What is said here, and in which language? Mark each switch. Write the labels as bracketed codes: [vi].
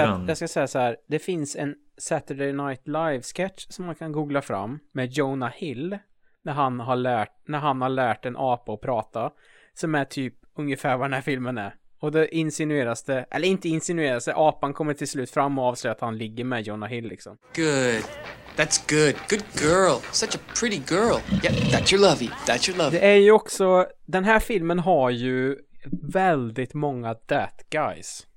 [sv] Jag ska säga så här, det finns en Saturday Night Live sketch som man kan googla fram med Jonah Hill när han har lärt en apa att prata, som är typ ungefär vad den här filmen är. Och det insinueras det, eller inte insinueras det, apan kommer till slut fram och avslöjar att han ligger med Jonah Hill liksom. [en] Good, that's good, good girl, such a pretty girl. Yeah, that's your lovey. [sv] Det är ju också, den här filmen har ju väldigt många [en] that guys.